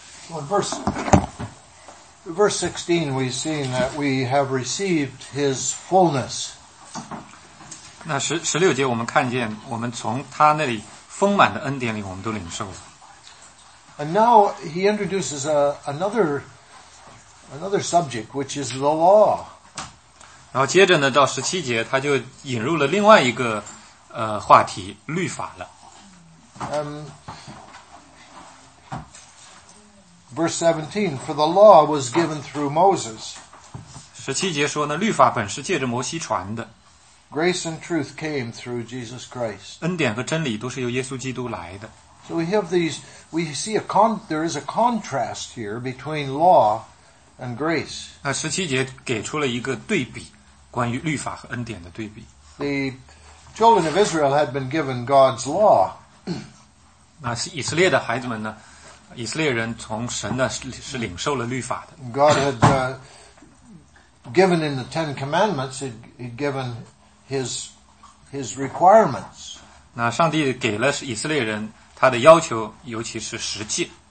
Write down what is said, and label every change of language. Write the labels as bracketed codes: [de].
[zh] Verse 16, we've seen that we have received his fullness. 那16节我们看见我们从他那里丰满的恩典里我们都领受了。 [en] And now he introduces another subject, which is the law. [zh] 然后接着呢到17节他就引入了另外一个话题律法了。 [en] Verse 17, for the law was given through Moses. [zh] 17节说呢律法本是借着摩西传的。 [en] Grace and truth came through Jesus Christ. [zh] 恩典和真理都是由耶稣基督来的。 [en] So we have these, we see there is a contrast here between law and grace. [zh] 那17节给出了一个对比关于律法和恩典的对比。 [en] The children of Israel had been given God's law. [zh] 那以色列的孩子们呢以色列人从神呢是领受了律法的。 [en] God had given in the Ten Commandments, he'd given his requirements. [zh] 那上帝给了以色列人他的要求尤其是十诫。